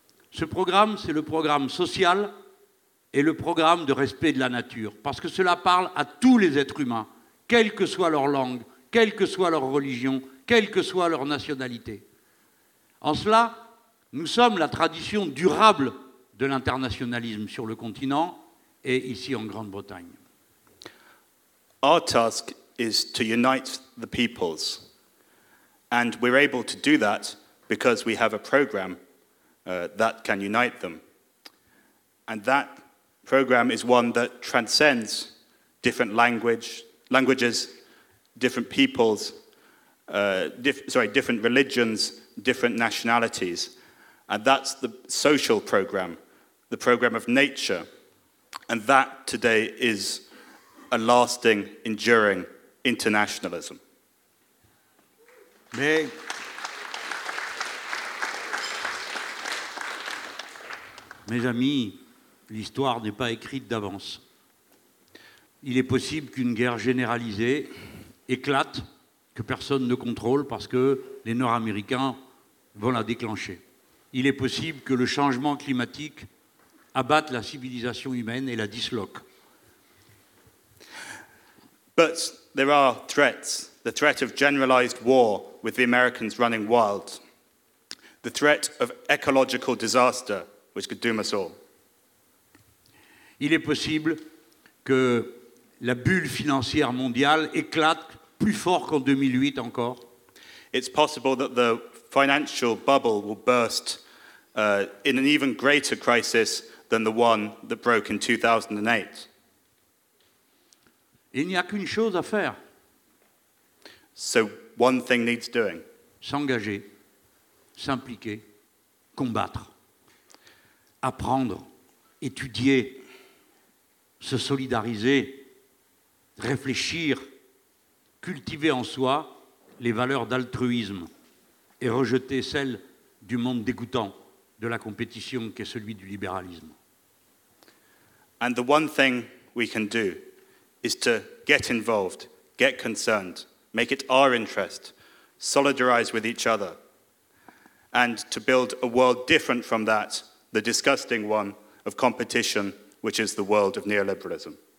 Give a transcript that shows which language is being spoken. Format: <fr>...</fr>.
<fr>Ce programme, c'est le programme social et le programme de respect de la nature, parce que cela parle à tous les êtres humains, quelle que soit leur langue, quelle que soit leur religion, quelle que soit leur nationalité. En cela, nous sommes la tradition durable de l'internationalisme sur le continent et ici en Grande-Bretagne.</fr> <en>Our task is to unite the peoples, and we're able to do that because we have a program that can unite them. And that program is one that transcends different languages, different peoples, different religions, different nationalities. And that's the social program, the program of nature. And that today is a lasting, enduring internationalism.</en> <fr>Mais mes amis, l'histoire n'est pas écrite d'avance. Il est possible qu'une guerre généralisée éclate, que personne ne contrôle parce que les Nord-Américains vont la déclencher. Il est possible que le changement climatique abatte la civilisation humaine et la disloque.</fr> <en>But there are threats. The threat of generalized war with the Americans running wild. The threat of ecological disaster, which could doom us all.</en> <fr>Il est possible que la bulle financière mondiale éclate plus fort qu'en 2008 encore.</fr> <en>It's possible that the financial bubble will burst in an even greater crisis than the one that broke in 2008.</en> <fr>Il n'y a qu'une chose à faire.</fr> <en>So one thing needs doing.</en> <fr>S'engager, s'impliquer, combattre, apprendre, étudier, se solidariser, réfléchir, cultiver en soi les valeurs d'altruisme et rejeter celles du monde dégoûtant de la compétition qui est celui du libéralisme.</fr> <en>And the one thing we can do is to get involved, get concerned, make it our interest, solidarize with each other, and to build a world different from that, the disgusting one of competition, which is the world of neoliberalism.</en>